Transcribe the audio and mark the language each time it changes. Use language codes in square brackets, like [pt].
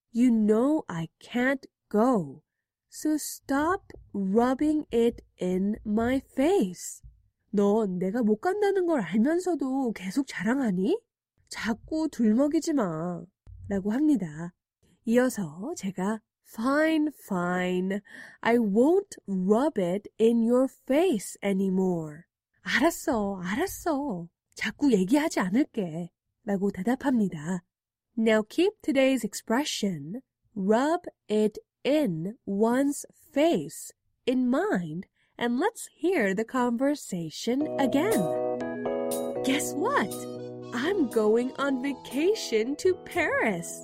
[en] You know I can't go. So stop rubbing it in my face. [ko] 넌 내가 못 간다는 걸 알면서도 계속 자랑하니? 자꾸 들먹이지 마 라고 합니다. 이어서 제가 [en] Fine, fine. I won't rub it in your face anymore. [ko] 알았어, 알았어. 자꾸 얘기하지 않을게 라고 대답합니다. [en] Now keep today's expression, rub it in one's face, in mind, and let's hear the conversation again. Guess what? I'm going on vacation to Paris.